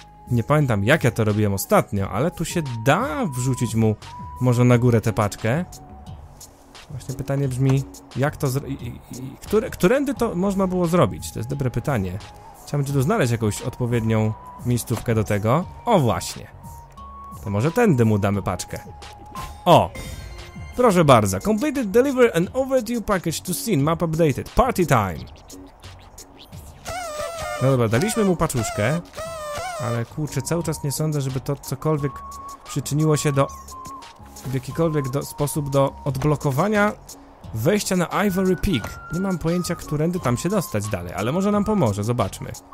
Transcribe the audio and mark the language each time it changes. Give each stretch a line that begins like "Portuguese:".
Polish: Nie pamiętam, jak ja to robiłem ostatnio, ale tu się da wrzucić mu może na górę tę paczkę. Właśnie pytanie brzmi, jak to którędy to można było zrobić? To jest dobre pytanie. Chciałbym tu znaleźć jakąś odpowiednią miejscówkę do tego. O, właśnie. To może tędy mu damy paczkę. O! Proszę bardzo.
English: Completed, deliver an overdue package to Scene. Map updated. Party time!
Polish: No dobra, daliśmy mu paczuszkę. Ale kurczę, cały czas nie sądzę, żeby to cokolwiek przyczyniło się do... w jakikolwiek sposób do odblokowania wejścia na Ivory Peak. Nie mam pojęcia, którędy tam się dostać dalej, ale może nam pomoże, zobaczmy.